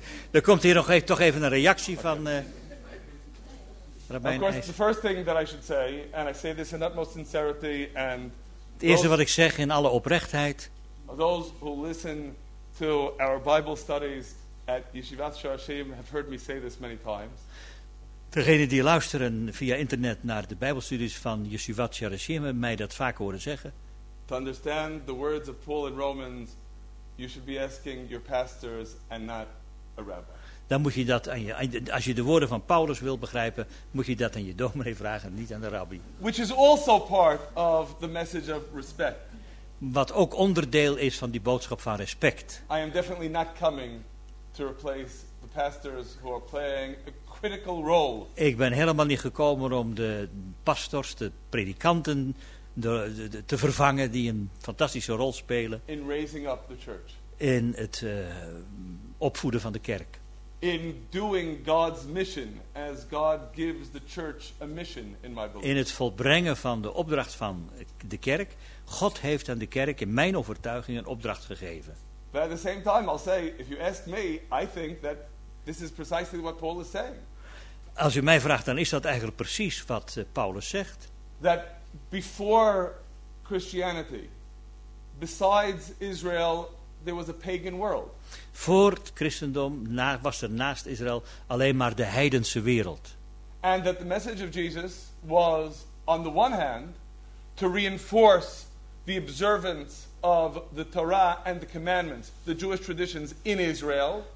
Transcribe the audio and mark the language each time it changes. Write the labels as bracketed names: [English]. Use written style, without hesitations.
[Dutch] Er komt hier nog toch even een reactie van Rabbijn. [English] Of course, the first thing that I should say, and I say this in utmost sincerity and... [Dutch] Het eerste wat ik zeg in alle oprechtheid. [English] Those who listen to our Bible studies at Yeshivat Shor HaShem have heard me say this many times. [Dutch] Degenen die luisteren via internet naar de Bijbelstudies van Yeshivat Shor HaShem hebben mij dat vaak horen zeggen. [English] To understand the words of Paul in Romans, you should be asking your pastors and not a rabbi. [Dutch] Dan moet je dat aan je, als je de woorden van Paulus wil begrijpen, moet je dat aan je dominee vragen, niet aan de rabbi. [English] Which is also part of the message of respect. [Dutch] Wat ook onderdeel is van die boodschap van respect. [English] I am definitely not coming to replace the pastors who are playing a critical role. [Dutch] Ik ben helemaal niet gekomen om de pastors, de predikanten, te vervangen die een fantastische rol spelen. [English] In raising up the church. [Dutch] In het opvoeden van de kerk. [English] In doing God's mission, as God gives the church a mission in my belief. [Dutch] In het volbrengen van de opdracht van de kerk, God heeft aan de kerk in mijn overtuiging een opdracht gegeven. [English] But at the same time, I'll say, if you ask me, I think that this is precisely what Paul is saying. [Dutch] Als u mij vraagt, dan is dat eigenlijk precies wat Paulus zegt. [English] That before Christianity, besides Israel, there was a pagan world. [Dutch] Voor het christendom was er naast Israël alleen maar de heidense wereld. [English] And that the message of Jesus was on the one hand to reinforce the observance of the Torah and the commandments, the Jewish traditions in Israel.